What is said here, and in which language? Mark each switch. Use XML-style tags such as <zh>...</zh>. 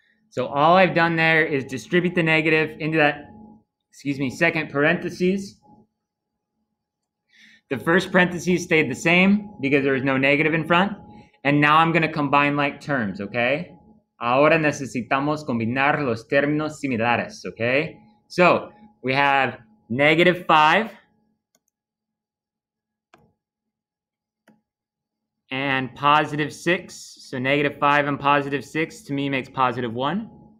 <en>So all I've done there is distribute the negative into that, excuse me, second parentheses. The first parentheses stayed the same because there was no negative in front. And now I'm going to combine like terms, okay?</en> <es>Ahora necesitamos combinar los términos similares, okay?</es> <en>So we have negative 5 and positive 6. So negative 5 and positive 6 to me makes positive 1.</en>